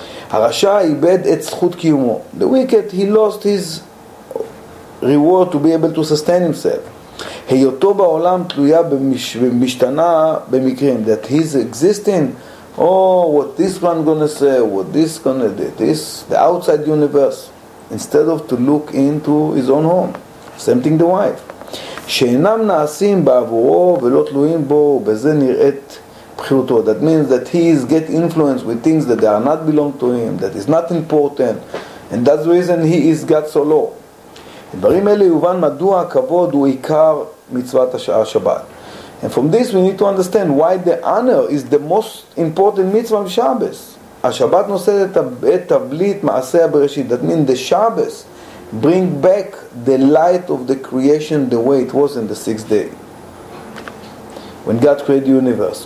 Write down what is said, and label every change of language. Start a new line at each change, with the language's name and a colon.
Hebrew: הרשע איבד את זכות קיומו.
English: The wicked, he lost his reward to be able to sustain himself.
Hebrew: היותו בעולם תלויה במשתנה במקרים.
English: That he's existing. Oh, what this one gonna say? What this gonna do? This, the outside universe. Instead of to look into his own home. Same thing the wife.
Hebrew: שאינם נעשים בעבורו ולא תלויים בו ובזה נראית בחירותו.
English: That means that he is get influenced with things that they are not belong to him, that is not important, and that's the reason he is got so low.
Hebrew: דברים אלה יובן מדוע הכבוד הוא עיקר מצוות השבת.
English: And from this we need to understand why the honor is the most important mitzvah of Shabbos.
Hebrew: Ha-Shabbat noseret et tavlit ma'aseh ha-Bereshit.
English: That means the Shabbos bring back the light of the creation the way it was in the sixth day, when God created the universe.